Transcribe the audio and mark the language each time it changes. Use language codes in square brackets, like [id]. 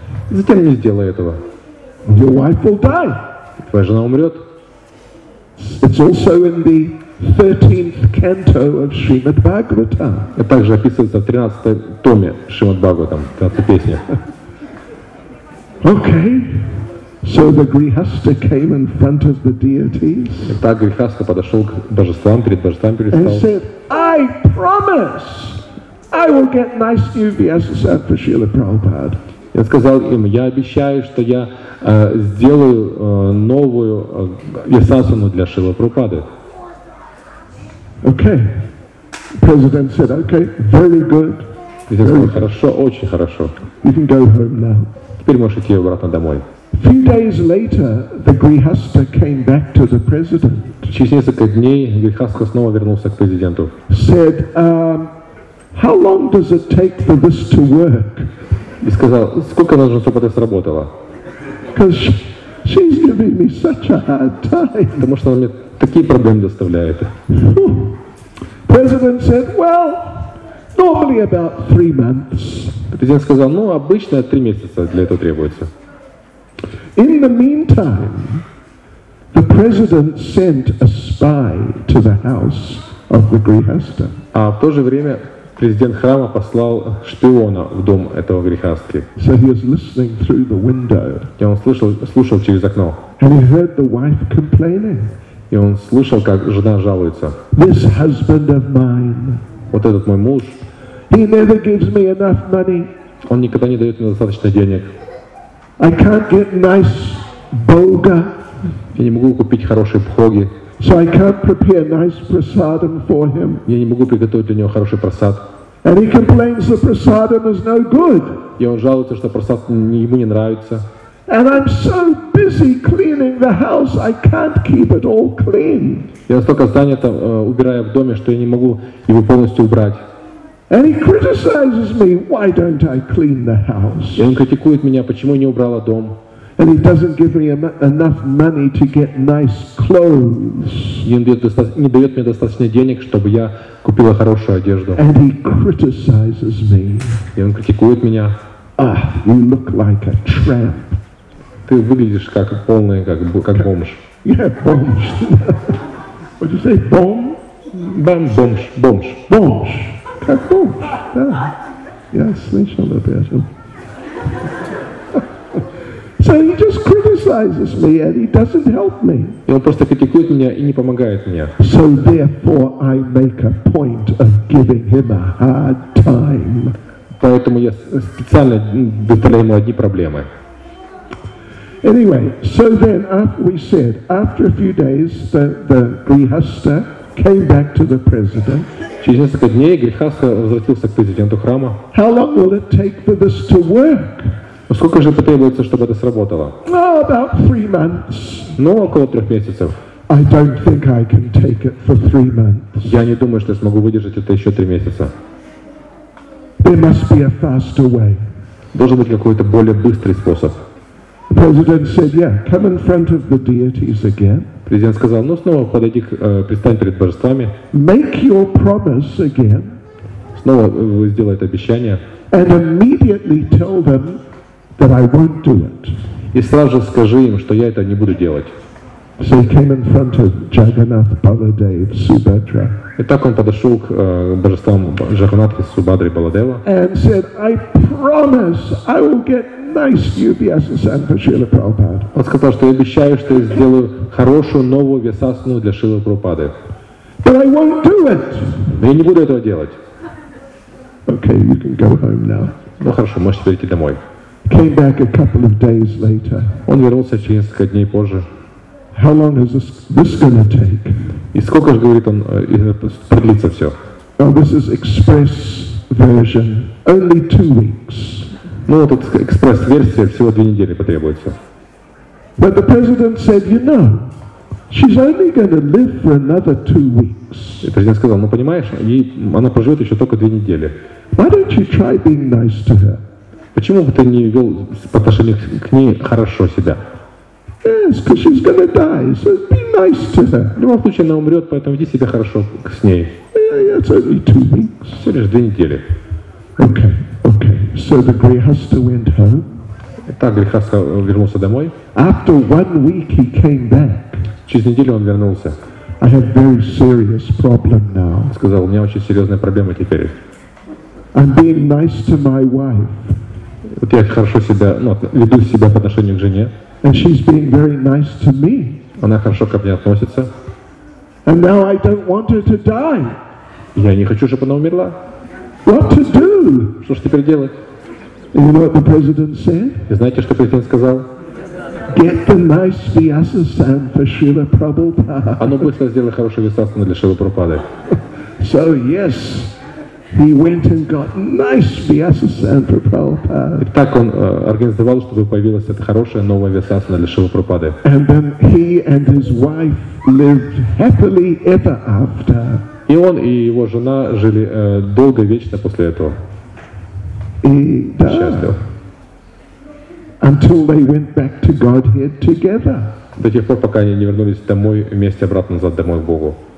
[ru] Затем не сделай этого. [en] Your wife will die. [ru] Твоя жена умрет. [en] It's also in the 13th canto of Srimad Bhagavatam. [ru] Это также описывается в 13-м томе Шримад Бхагаватам, 13-й песне. [en] Okay. So the grihastha came in front of the deities. [ru] Итак, грихастха подошёл к божествам, перед божествами предстал. [en] And said, "I promise I will get nice new vyasas for Srila Prabhupada." [ru] Я сказал им, я обещаю, что я сделаю новую ясасану для Шрилы Прабхупады. [en] Okay. President said, okay, very good. [ru] Президент сказал, хорошо, очень хорошо. [en] You can go home now. [ru] Теперь можешь идти обратно домой. [en] Few days later, the grihastha came back to the president. [ru] Через несколько дней грихастха снова вернулся к президенту. [en] Said, how long does it take for this to work? [ru] И сказал, сколько нужно, чтобы это сработало? [en] She's giving me such a hard time. [ru] Потому что она мне такие проблемы доставляет. [en] President said, well, normally about 3 months. [ru] Президент сказал, ну обычно 3 месяца для этого требуется. [en] In the meantime, the president sent a spy to the house of the grihastha. [ru] А в то же время президент храма послал шпиона в дом этого грихастхи. [en] So he was listening through the window. [ru] И он слушал через окно. [en] And he heard the wife complaining. [ru] И он слушал, как жена жалуется. [en] This husband of mine. [ru] Вот этот мой муж. [en] He never gives me enough money. [ru] Он никогда не дает мне достаточно денег. [en] I can't get nice bhoga. [ru] Я не могу купить хорошие бхоги. [en] So I can't prepare nice prasadam for him. [ru] Я не могу приготовить для него хороший прасад. [en] And he complains the prasadam is no good. [ru] И он жалуется, что прасад ему не нравится. [en] And I'm so busy cleaning the house, I can't keep it all clean. [ru] Я столько занят, убирая в доме, что я не могу его полностью убрать. [en] And he criticizes me, why don't I clean the house? [ru] И он критикует меня, почему я не убрала дом. [en] And he doesn't give me enough money to get nice clothes. [ru] И он не дает мне достаточно денег, чтобы я купила хорошую одежду. [en] And he criticizes me. [ru] И он критикует меня. [en] Ah, you look like a tramp. [ru] Ты выглядишь как полный, как бомж. [en] Yeah, бомж. What did you say? Бом? [ru] Бом, бомж, бомж. Бомж. Как бомж, да. Я слышал об этом. [en] So he just criticizes me and he doesn't help me. [ru] И он просто критикует меня и не помогает мне. [en] So therefore I make a point of giving him a hard time. [ru] Поэтому я специально выставляю ему одни проблемы. [en] Anyway, so then after a few days the grihastha came back to the president. [ru] Через несколько дней грихастха возвратился к президенту храма. [en] How long will it take for this to work? [ru] Сколько же потребуется, чтобы это сработало? [en] Oh, about 3 months. [ru] Ну, около 3 месяцев. [en] I don't think I can take it for 3 months. [ru] Я не думаю, что я смогу выдержать это еще 3 месяца. [en] There must be a faster way. [ru] Должен быть какой-то более быстрый способ. [en] The president said, yeah, come in front of the deities again. [ru] Президент сказал, ну снова подойди, предстань перед божествами. [en] Make your promise again. [ru] Снова вы сделаете обещание. [en] And immediately tell them that I won't do it. [ru] И сразу же скажи им, что я это не буду делать. [en] So he came in front of Jagannath Baladev Subhadra. [ru] Итак, он подошел к божествам Джагнатхи Субхадры Баладева. [en] And said, I promise I will get nice new vyasas for Srila Prabhupada. [ru] Он сказал, что я обещаю, что я сделаю хорошую новую вьясасану для Шрилы Прабхупады. [en] But I won't do it. [ru] Но я не буду этого делать. [en] Okay, you can go home now. [ru] Ну хорошо, можете перейти домой. [en] Came back a couple of days later. [ru] Он вернулся через несколько дней позже. [en] How long is this going to take? [ru] И сколько же, говорит он, продлится все? [en] Now this is express version. Only 2 weeks. [ru] Ну вот эта экспресс версия всего 2 недели потребуется. [en] But the president said, you know, she's only going to live for another 2 weeks. [ru] И президент сказал, ну понимаешь, она проживет еще только 2 недели. [en] Why don't you try being nice to her? [ru] Почему бы ты не вел по отношению к ней хорошо себя? [en] Yes, because she's gonna die, so be nice to her. [ru] В любом случае она умрет, поэтому веди себя хорошо с ней. [en] Yeah, it's only 2 weeks. [ru] Все лишь 2 недели. [en] Okay. So the grihastha went home. [ru] Итак, грихастха вернулся домой. [en] After 1 week he came back. [ru] Через неделю он вернулся. [en] I have very serious problem now. [ru] Сказал, у меня очень серьезная проблема теперь. [en] I'm being nice to my wife. [ru] Вот я хорошо себя, ну, веду себя по отношению к жене. [en] And she's being very nice to me. [ru] Она хорошо ко мне относится. [en] And now I don't want her to die. [ru] Я не хочу, чтобы она умерла. [en] What to do? [ru] Что ж теперь делать? [en] You know what the president said? [ru] И знаете, что президент сказал? [en] Get the nice Vyasa Sam for Srila Prabhupada. [ru] А ну быстро сделай хорошую Вьясасану для Шрилы Прабхупады. [en] So yes, he went and got nice Vyasa Sam for Prabhupada. [ru] Так он организовал, чтобы появилась эта хорошая новая Вьясасана для Шрилы Прабхупады. [en] And then he and his wife lived happily ever after. [ru] И он и его жена жили долго, вечно после этого. И да. [en] Until they went back to Godhead together. [ru] До тех пор, пока они не вернулись домой вместе обратно назад домой к Богу.